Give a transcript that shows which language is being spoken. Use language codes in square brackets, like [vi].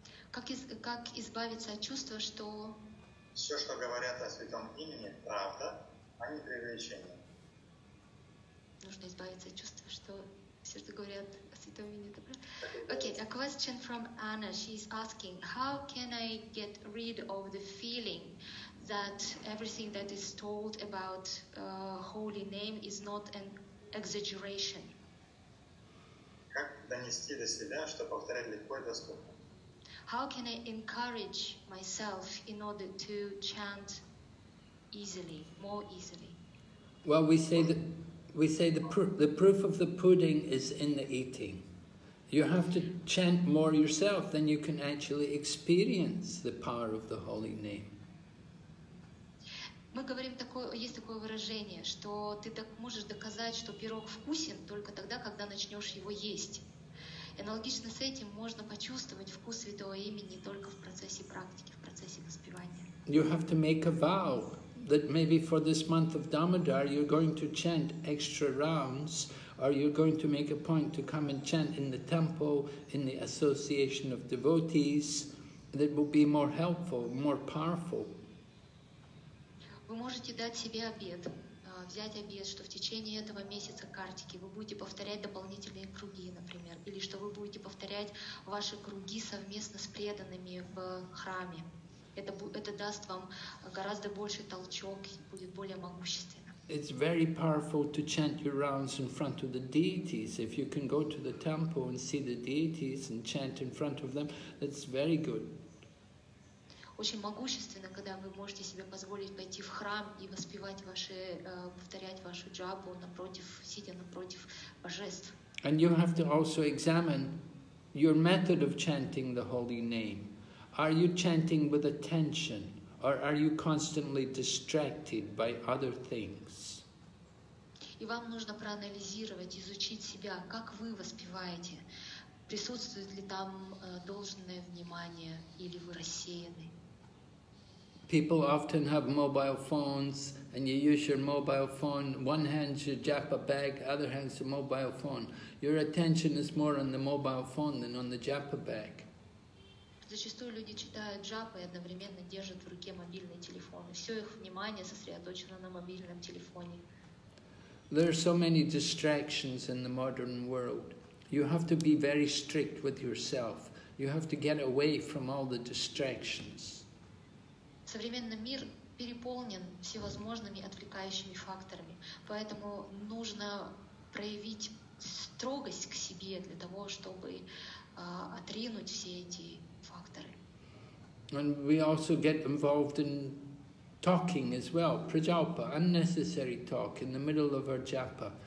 [ru] Как избавиться от чувства, что... Все, что говорят о святом имени, правда, а не преувеличение. Нужно избавиться от чувства, что все, что говорят о святом имени, это правда. [en] Okay, a question from Anna. She's asking, how can I get rid of the feeling that everything that is told about holy name is not an exaggeration? [ru] Как донести до себя, что повторять легко и доступно? [en] How can I encourage myself in order to chant easily, more easily? Well, we say the proof of the pudding is in the eating. You have to chant more yourself, then you can actually experience the power of the holy name. [ru] Мы говорим такое, есть такое выражение, что ты так можешь доказать, что пирог вкусен только тогда, когда начнешь его есть. Аналогично с этим можно почувствовать вкус святого имени только в процессе практики, в процессе воспевания. [en] You have to make a vow that maybe for this month of Damodar you're going to chant extra rounds, or you're going to make a point to come and chant in the temple, in the association of devotees, that will be more helpful, more powerful. [ru] Вы можете дать себе обет. Взять обет, что в течение этого месяца картики вы будете повторять дополнительные круги, например, или что вы будете повторять ваши круги совместно с преданными в храме. Это даст вам гораздо больше толчок и будет более могущественно. [en] It's very powerful to chant your rounds in front of the deities. If you can go to the temple and see the deities and chant in front of them, that's very good. [ru] Очень могущественно, когда вы можете себе позволить пойти в храм и воспевать ваши, повторять вашу джапу напротив, сидя напротив божеств. [en] And you have to also examine your method of chanting the holy name. Are you chanting with attention, or are you constantly distracted by other things? [ru] И вам нужно проанализировать, изучить себя, как вы воспеваете, присутствует ли там должное внимание или вы рассеяны. [en] People often have mobile phones, and you use your mobile phone, one hand your japa bag, other hand your mobile phone. Your attention is more on the mobile phone than on the japa bag. [ru] Зачастую люди читают джапы и одновременно держат в руке мобильный телефон. Все их внимание сосредоточено на мобильном телефоне. [en] There are so many distractions in the modern world. You have to be very strict with yourself. You have to get away from all the distractions. [ru] Современный мир переполнен всевозможными отвлекающими факторами, поэтому нужно проявить строгость к себе для того, чтобы отринуть все эти факторы. [en] And we also get involved in talking as well, prajalpa, unnecessary talk in the middle of our japa.